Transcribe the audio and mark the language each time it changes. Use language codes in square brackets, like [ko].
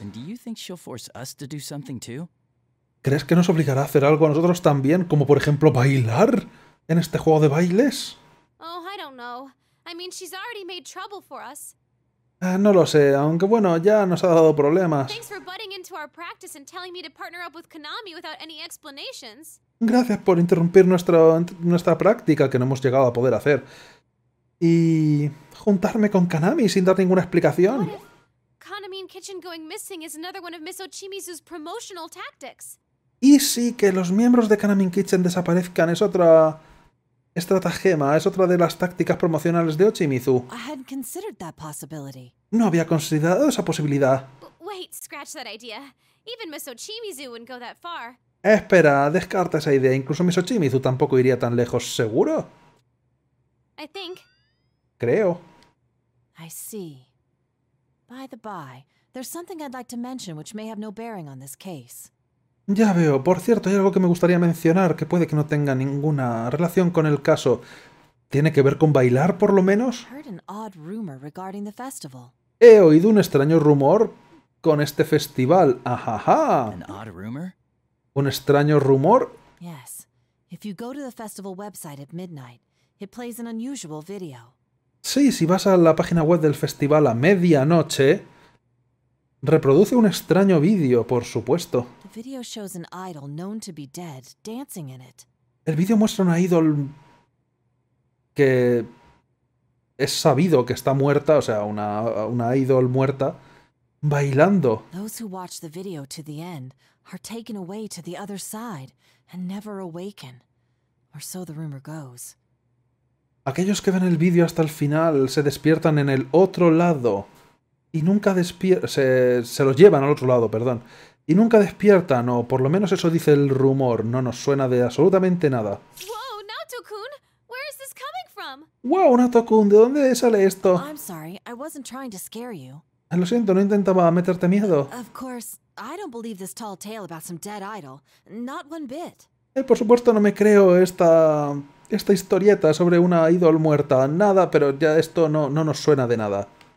[es] ¿Crees que ¿Crees que nos obligará a hacer algo a nosotros también, como por ejemplo bailar en este juego de bailes? [en] Oh, I don't know. I mean, she's already made trouble for us. [es] No lo sé, aunque bueno, ya nos ha dado problemas. [en] Thanks for butting into our practice and telling me to partner up with Konami without any explanations. [es] Gracias por interrumpir nuestra práctica que no hemos llegado a poder hacer. Y juntarme con Konami sin dar ninguna explicación. [en] Konami and Kitchen going missing is another one of Miss Ochimizu's promotional tactics. [es] Y sí, que los miembros de Konami and Kitchen desaparezcan es otra estratagema, es otra de las tácticas promocionales de Ochimizu. [en] I hadn't considered that possibility. [es] No había considerado esa posibilidad. [en] Wait, scratch that idea. Even Miss Ochimizu wouldn't go that far. [es] Espera, descarta esa idea. Incluso Miss Ochimizu tampoco iría tan lejos, ¿seguro? [en] I think. [es] Creo. [en] I see. By the by, there's something I'd like to mention which may have no bearing on this case. [es] Ya veo. Por cierto, hay algo que me gustaría mencionar que puede que no tenga ninguna relación con el caso. ¿Tiene que ver con bailar, por lo menos? [en] Heard an odd rumor regarding the festival. [es] He oído un extraño rumor con este festival. ¡Ajaja! [en] An odd rumor? [es] ¿Un extraño rumor? [en] Yes. If you go to the festival website at midnight, it plays an unusual video. [es] Sí, si vas a la página web del festival a medianoche, reproduce un extraño vídeo, por supuesto. [en] The video shows an idol known to be dead dancing in it. [es] El vídeo muestra un idol que es sabido que está muerta, o sea, una idol muerta bailando. [en] Those who watch the video to the end are taken away to the other side and never awaken, or so the rumor goes. [es] Aquellos que ven el vídeo hasta el final se despiertan en el otro lado y nunca despiertan. Se los llevan al otro lado, perdón. Y nunca despiertan, o por lo menos eso dice el rumor. No nos suena de absolutamente nada. [en] ¡Wow, Nato-kun! ¿Where is this coming from? [es] ¡Wow, Nato-kun! ¿De dónde sale esto? [en] I'm sorry, I wasn't trying to scare you. [es] Lo siento, no intentaba meterte miedo. [en] Of course, I don't believe this tall tale about some dead idol. Not one bit. [es] Por supuesto, no me creo esta historieta sobre una idol muerta, nada, pero ya esto no nos suena de nada.